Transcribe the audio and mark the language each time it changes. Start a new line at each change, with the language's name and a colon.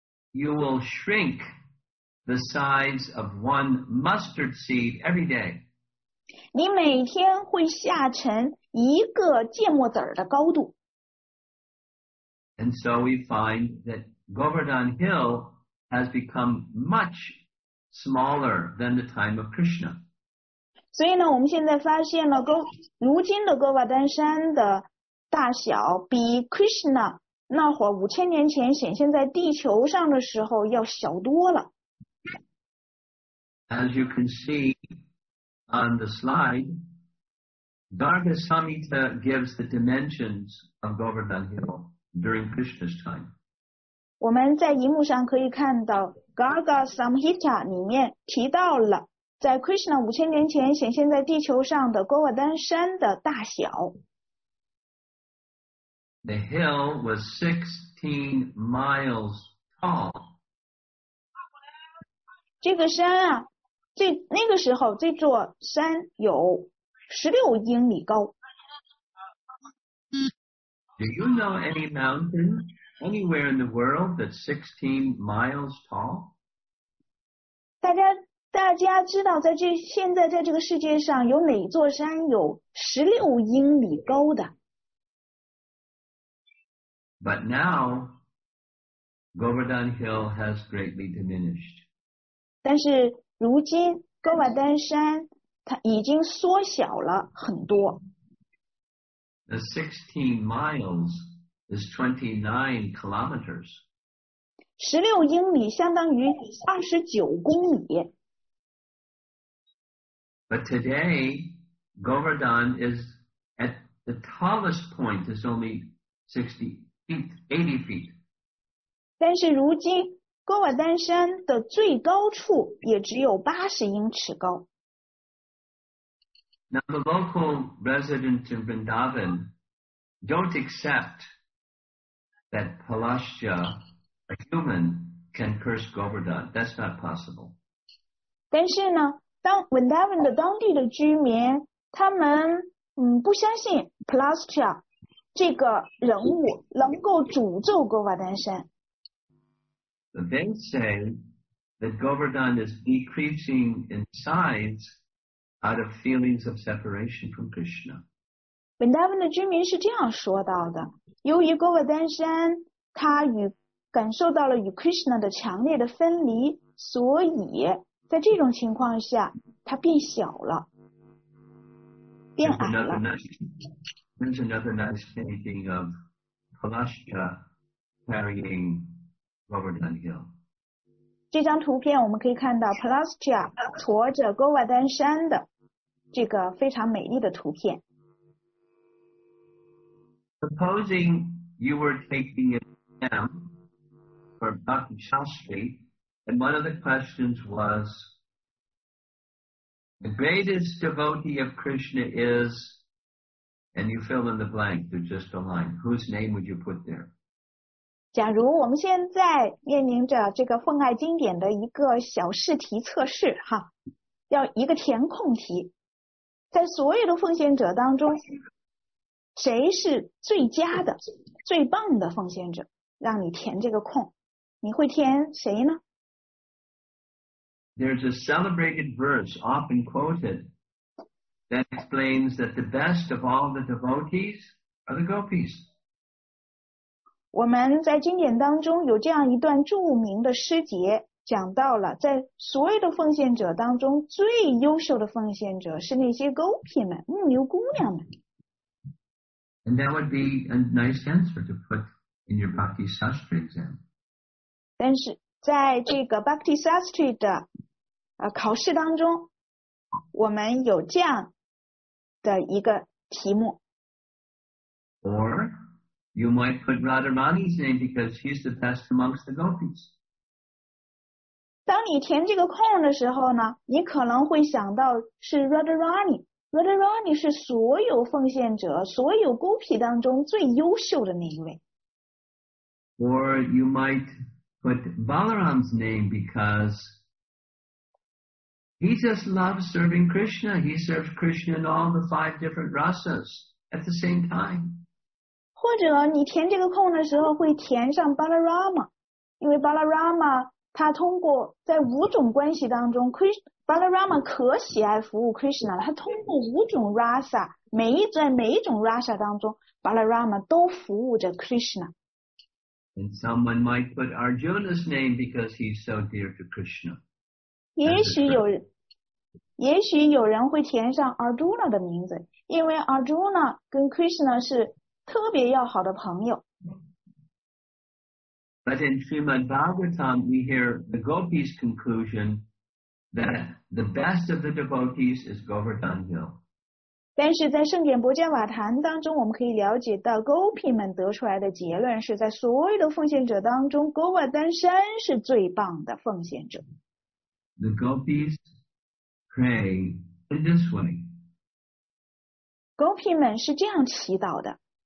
English: You will shrink the size of one mustard seed every day.
Chinese: 你每天会下沉一个芥末籽的高度。
English: And so we find that Govardhan Hill has become much smaller than the time of Krishna.
Chinese: 所以呢，我们现在发现了，如今的 Govardhan 山的大小比 Krishna 那会儿五千年前显现在地球上的时候要小多了。
English: As you can see on the slide, Garga Samhita gives the dimensions of Govardhan Hill during Krishna's time.
Chinese: 我们在荧幕上可以看到 Garga Samhita 里面提到了在 Krishna 五千年前显现在地球上的 Govardhan 山的大小。
English: The hill was 16 miles tall.
Chinese: 这个山啊，那个时候这座山有16英里高。
English: Do you know any mountain anywhere in the world that's 16 miles tall?
Chinese: 大家知道现在在这个世界上有哪座山有16英里高的？
English: But now, Govardhan Hill has greatly diminished.
Chinese: 但是如今 Govardhan 山它已经缩小了很多。
English: The 16 miles is 29 kilometers.
Chinese: 16英里相当于29公里。
English: But today, Govardhan is at the tallest point is only 80 feet.
Chinese: 但是如今 Govardhan 山的最高处也只有80英尺高。
English: Now the local residents in Vrindavan don't accept that Palashya, a human, can curse Govardhan. That's not possible.
Chinese: 但是呢，当 Vrindavan 的当地的居民，他们不相信 Palashya 这个人物能够诅咒 Govardhan 山。
English: They say that Govardhan is decreasing in size. Out of feelings of separation from Krishna.
Chinese: Vrindavan 的居民是这样说到的，由于 Govardhan 山他感受到了与 Krishna 的强烈的分离，所以在这种情况下他变小了，变矮了。
English: There's another nice painting of Palashya carrying Govardhan Hill.
Chinese: 这张图片我们可以看到 Palashya 驮着 Govardhan 山的这个非常美丽的图片。
English: Supposing you were taking an exam for Bhakti Shastri, and one of the questions was, the greatest devotee of Krishna is, and you fill in the blank, there's just a line, whose name would you put there?
Chinese: 假如我们现在面临着这个奉爱经典的一个小试题测试哈，要一个填空题，在所有的奉献者当中，谁是最佳的最棒的奉献者，让你填这个空，你会填谁呢？
English: There's a celebrated verse often quoted that explains that the best of all the devotees are the gopis.
Chinese: 我们在经典当中有这样一段著名的诗节，讲到了在所有的奉献者当中最优秀的奉献者是那些 Gopi 们，牧牛姑娘们。
English: And that would be a nice answer to put in your Bhakti Sastri exam.
Chinese: 但是在这个 Bhakti Sastri 的 考试当中, 我们有这样的一个题目。
English: Or you might put Radharani's name because he's the best amongst the gopis.
Chinese: 当你填这个空的时候呢, 你可能会想到是 Radharani。 Radharani 是所有奉献者, 所有孤僻当中最优秀的那一位。
English: Or you might put Balaram's name because he just loves serving Krishna. He serves Krishna in all the five different rasas at the same time.
Chinese: 或者你填这个空的时候会填上 Balarama, 因为 Balarama 他通过在五种关系当中 Balarama 可喜爱服务 Krishna 他通过五种 Rasa 每一种 Rasa 当中 Balarama 都服务着 Krishna
English: And someone might put Arjuna's name because he's so dear to Krishna
Chinese: 也许有人会填上 Arjuna的名字 因为 Arjuna跟 Krishna是特别要好的朋友
English: But in Srimad Bhagavatam, we hear the gopis' conclusion that the best of the devotees is Govardhan Hill.
Chinese: 但是在圣典博伽瓦坛当中，我们可以了解到 gopi们得出来的结论是在所有的奉献者当中， Govardhan Shan 是最棒的奉献者。
English: The gopis pray in this way.
Chinese: gopi们是这样祈祷的。